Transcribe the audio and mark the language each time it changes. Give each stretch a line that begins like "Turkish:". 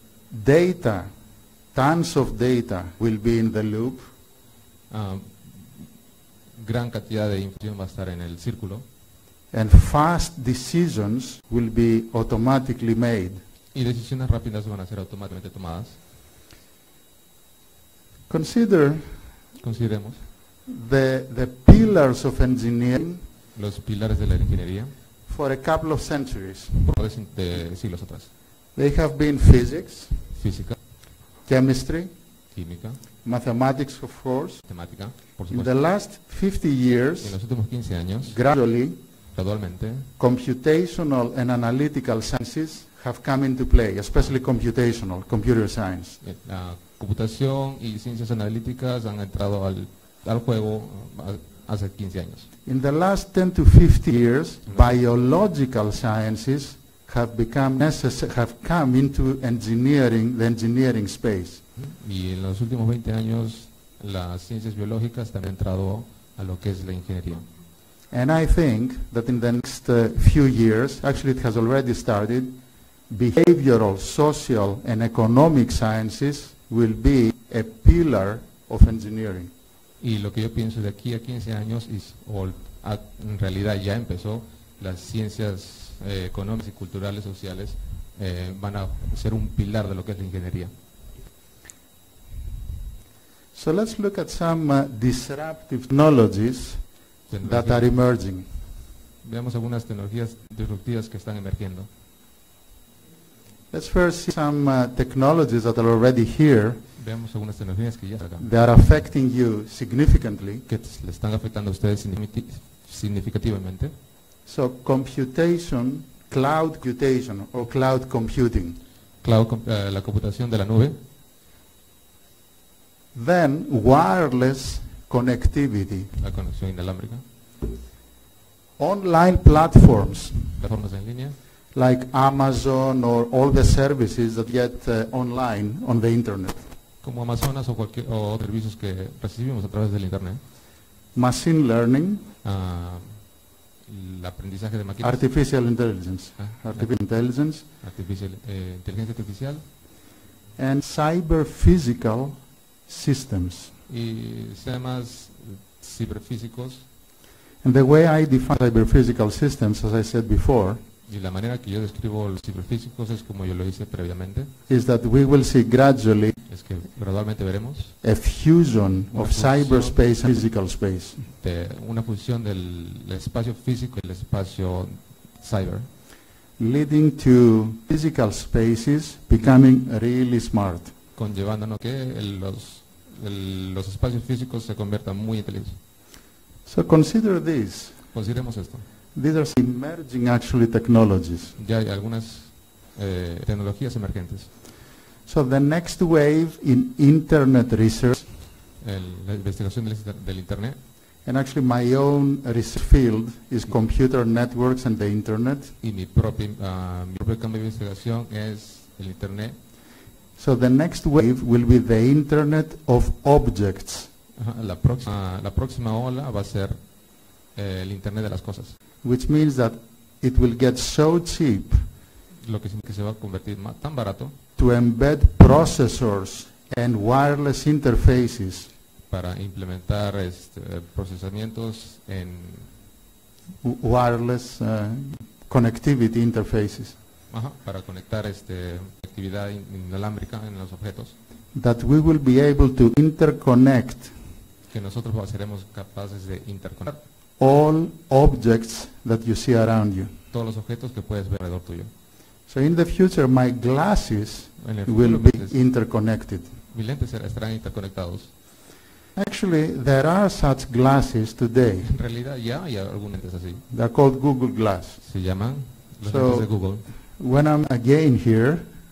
English: Data, tons of data will be in the loop.
Spanish: Gran cantidad de información va a estar en el círculo.
English: And fast decisions will be automatically made.
Spanish: Y decisiones rápidas van a ser automáticamente tomadas. Consideremos
English: the pillars of engineering.
Spanish: Los pilares de la ingeniería.
English: For a couple of centuries.
Spanish: Por siglos atrás.
English: They have been physics.
Spanish: Física.
English: Chemistry.
Spanish: Química.
English: Mathematics, of course.
Spanish: Matemática, por supuesto.
English: In the last 50 years,
Spanish: en los últimos 15 años,
English: gradually, computational and analytical sciences have come into play, especially computational, computer science.
Spanish: La computación y ciencias analíticas han entrado al juego hace 15 años.
English: In the last 10 to 50 years, biological sciences have come into the engineering space.
Spanish: Y en los últimos 20 años, las ciencias biológicas también han entrado a lo que es la ingeniería.
English: And I think that in the next few years, actually it has already started, behavioral, social, and economic sciences will be a pillar of engineering.
Spanish: Y lo que yo pienso de aquí a 15 años es, en realidad ya empezó, las ciencias económicas y culturales, sociales, van a ser un pilar de lo que es la ingeniería.
English: So let's look at some disruptive technologies that are emerging.
Spanish: Veamos algunas tecnologías disruptivas que están emergiendo.
English: Let's first see some technologies that are already here.
Spanish: Veamos algunas tecnologías que ya están acá.
English: They are affecting you significantly.
Spanish: Que le están afectando a ustedes significativamente.
English: So computation, cloud computation or cloud computing.
Spanish: La computación de la nube.
English: Then wireless connectivity.
Spanish: La conexión inalámbrica.
English: Online platforms.
Spanish: Plataformas en línea.
English: Like Amazon or all the services that get online on the internet.
Spanish: como Amazonas o cualquier o servicios que recibimos a través del internet.
English: Machine learning.
Spanish: El aprendizaje de máquinas.
English: Artificial intelligence.
Spanish: Inteligencia artificial.
English: And cyber physical systems.
Spanish: Y sistemas ciberfísicos.
English: And the way I define cyber physical systems, as I said before.
Spanish: Y la manera que yo describo los ciberfísicos es como yo lo hice previamente.
English: Is that we will see gradually.
Spanish: Es que gradualmente veremos.
English: A fusion of cyberspace and physical space.
Spanish: De una fusión del espacio físico y el espacio cyber.
English: Leading to physical spaces becoming really smart.
Spanish: Conllevando que los espacios físicos se conviertan muy inteligentes.
English: So consider this.
Spanish: Consideremos esto.
English: These are emerging actually technologies.
Spanish: Ya hay algunas tecnologías emergentes.
English: So the next wave in internet research.
Spanish: La investigación del internet.
English: And actually my own research field is computer networks and the internet.
Spanish: Y mi propio campo de investigación es el internet.
English: So the next wave will be the internet of objects.
Spanish: La próxima ola va a ser el internet de las cosas.
English: Which means that it will get so cheap.
Spanish: Lo que significa que se va a convertir tan barato.
English: To embed processors and wireless interfaces.
Spanish: Para implementar procesamientos en
English: wireless connectivity interfaces.
Spanish: Ajá, para conectar actividad inalámbrica en los objetos.
English: That we will be able to interconnect.
Spanish: Que nosotros seremos capaces de interconectar.
English: All objects that you see around you.
Spanish: Todos los objetos que puedes ver alrededor tuyo.
English: So in the future, my glasses will be interconnected.
Spanish: Mis lentes estarán interconectados.
English: Actually, there are such glasses today.
Spanish: En realidad, ya hay algunos lentes así.
English: They're called Google Glass.
Spanish: Se llaman los lentes de Google.
English: When I'm again here,